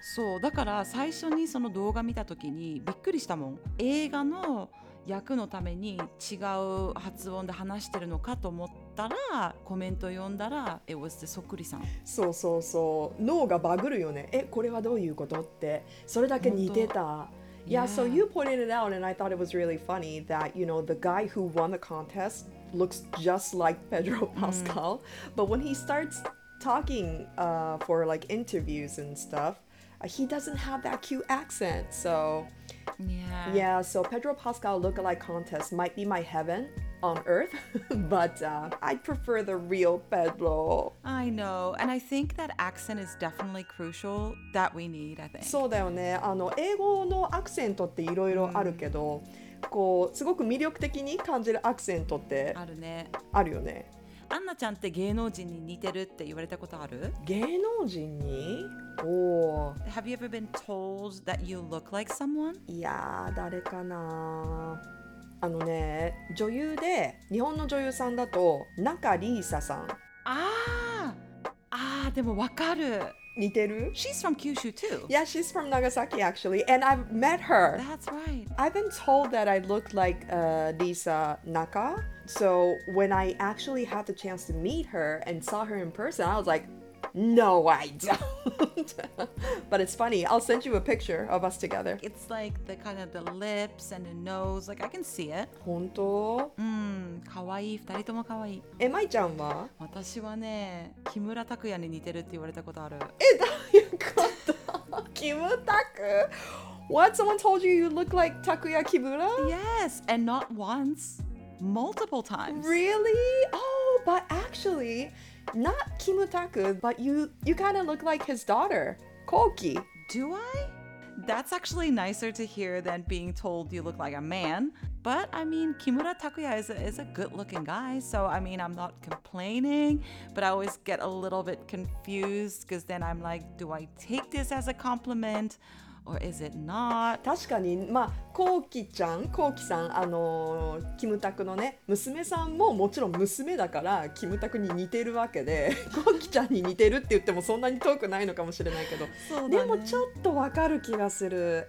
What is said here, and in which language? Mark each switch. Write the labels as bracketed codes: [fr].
[ja] そうだから最初にその動画見た時にびっくりしたもん。映画の役のために違う発音で話してるのかと思ったら、コメント読んだら、 [en] It was the [ja] そっくりさん。そうそうそう、脳がバグるよね。え、これはどういうことって。それだけ似てた。 [en] Yeah, so you pointed it out and I thought it was really funny that, you know, the guy who won the contest looks just like Pedro Pascal、but when he starts talking、for like interviews and stuff、he doesn't have that cute accent, so Yeah, so Pedro Pascal lookalike contest might be my heaven on earth, but I prefer the real Pedro. I know, and I think that accent is definitely crucial that we need, I think. [ja] そうだよね。あの、英語のアクセントっていろいろあるけど、こう、すごく魅力的に感じるアクセントってあるね。あるよね。アンナちゃんって芸能人に似てるって言われたことある？芸能人に？おお。 [en] Have you ever been told that you look like someone? [ja] いやー、誰かな。あのね、女優で、日本の女優さんだと、仲里依紗さん。あー、でもわかる。似てる？ [en] She's from Kyushu too. Yeah, she's from Nagasaki actually, and I've met her. That's right. I've been told that I look like Lisa Naka. So when I actually had the chance to meet her and saw her in person, I was like, No, I don't. But it's funny. I'll send you a picture of us together. It's like the kind of the lips and the nose. Like, I can see it. [ja] 本当? かわいい。二人ともかわいい。え、まいちゃんは? 私はね、木村拓哉に似てるって言われたことある。え、どういうこと?キムタク? [en] What? Someone told you you look like Takuya Kimura? Yes, and not once. Multiple times. Really? Oh, but actually... Not Kimutaku, but you kind of look like his daughter, Koki. Do I? That's actually nicer to hear than being told you look like a man. But I mean, Kimura Takuya is a good looking guy. So I mean, I'm not complaining, but I always get a little bit confused because then I'm like, do I take this as a compliment? Or is it not? [ja] 確かに、まあ、コウキちゃん、コウキさん、キムタクのね、娘さんももちろん娘だから、キムタクに似てるわけで、コウキちゃんに似てるって言ってもそんなに遠くないのかもしれないけど、そうだね、でもちょっとわかる気がする。